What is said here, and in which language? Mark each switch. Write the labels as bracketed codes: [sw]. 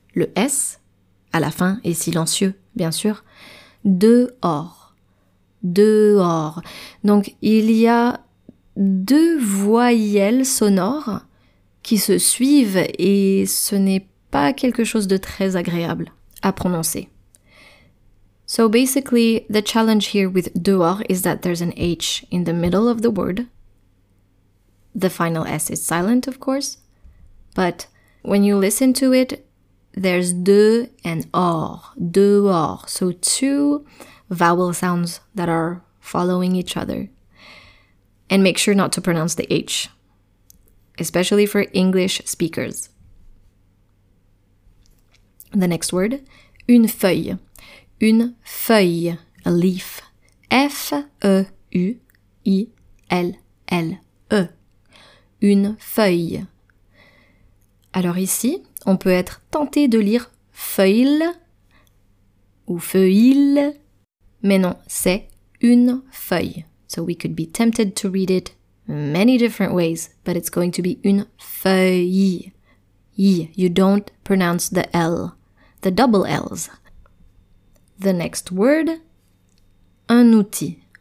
[fr] Le S, à la fin, est silencieux, bien sûr. Dehors. Dehors. Donc il y a deux voyelles sonores qui se suivent et ce n'est pas quelque chose de très agréable à prononcer. [en] So basically, the challenge here with dehors is that there's an H in the middle of the word. The final S is silent, of course. But when you listen to it, there's de and or, dehors. So two vowel sounds that are following each other. And make sure not to pronounce the H, especially for English speakers. The next word, une feuille. Une feuille, a leaf, F-E-U-I-L-L-E, une feuille. [fr] Alors ici, on peut être tenté de lire feuille ou feuille, mais non, c'est une feuille. [en] So we could be tempted to read it many different ways, but it's going to be une feuille. I, you don't pronounce the L, the double L's. The next word, un outil,